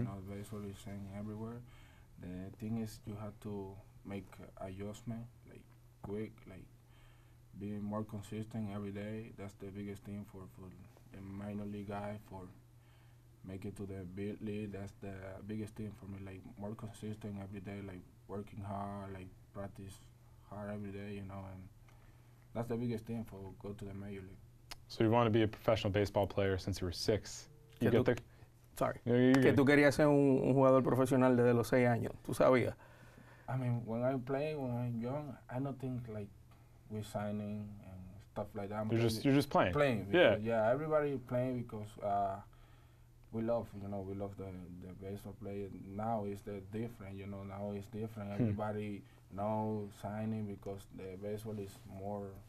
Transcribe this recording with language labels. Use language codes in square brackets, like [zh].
[en] You know, basically the same everywhere. The thing is you have to make adjustment, like quick, like, being more consistent every day, that's the biggest thing for the minor league guy, for make it to the big league, that's the biggest thing for me, like more consistent every day, like working hard, like practice hard every day, you know, and that's the biggest thing for go to the major league. So you want to be a professional baseball player since you were six. [es] Que tú querías ser un jugador profesional desde los 6 años, tú sabías. [en] I mean, when I play, when I'm young, I don't think like, we signing and stuff like that. You're just playing. Playing. Because, yeah. Yeah. Everybody playing because we love, you know, we love the baseball player. Now it's the different, you know. Now it's different. Everybody now signing because the baseball is more.